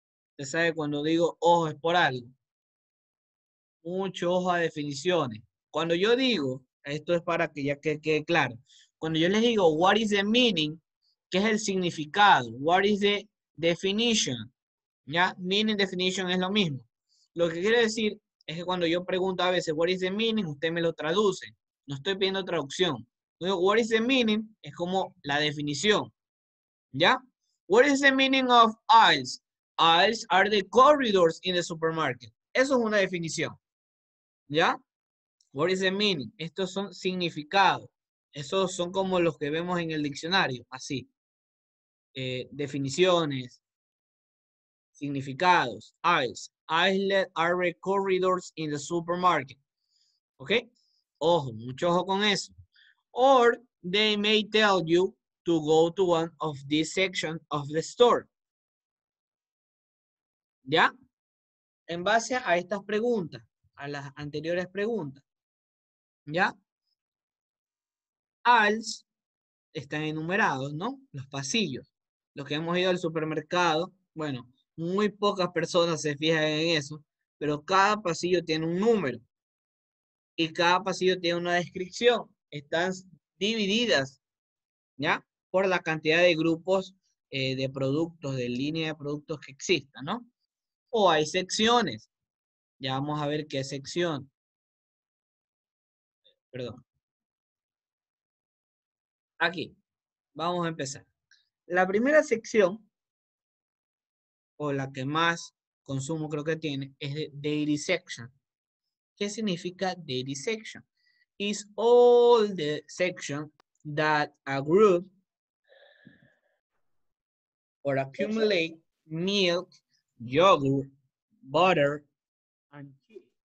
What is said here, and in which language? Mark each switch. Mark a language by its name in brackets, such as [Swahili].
[Spanish] Usted sabe cuando digo ojo es por algo. Mucho ojo a definiciones. Cuando yo digo, esto es para que ya quede claro. Cuando yo les digo, [English] what is the meaning? [Spanish] ¿Qué es el significado? [English] What is the definition? [Spanish] ¿Ya? Meaning, definition es lo mismo. Lo que quiero decir es que cuando yo pregunto a veces, [English] what is the meaning? [Spanish] Usted me lo traduce. No estoy pidiendo traducción. Digo, [English] what is the meaning? [Spanish] Es como la definición. ¿Ya? [English] What is the meaning of aisles? Aisles are the corridors in the supermarket. [Spanish] Eso es una definición. ¿Ya? [English] What is the meaning? [Spanish] Estos son significados. Esos son como los que vemos en el diccionario. Así. Definiciones. Significados. Aisles. [English] Aisles are the corridors in the supermarket. ¿Ok? [Spanish] Ojo, mucho ojo con eso. [English] Or they may tell you to go to one of these sections of the store. [Spanish] ¿Ya? En base a estas preguntas, a las anteriores preguntas, ¿ya? Aisles están enumerados, ¿no? Los pasillos. Los que hemos ido al supermercado, bueno, muy pocas personas se fijan en eso, pero cada pasillo tiene un número. Y cada pasillo tiene una descripción. Están divididas, ¿ya? Por la cantidad de grupos de productos, de línea de productos que exista, ¿no? O hay secciones. Ya vamos a ver qué sección. Perdón. Aquí. Vamos a empezar. La primera sección, o la que más consumo creo que tiene, es de dairy section. ¿Qué significa dairy section? [English] Is all the section that a group or accumulate milk, yogurt, butter, and cheese.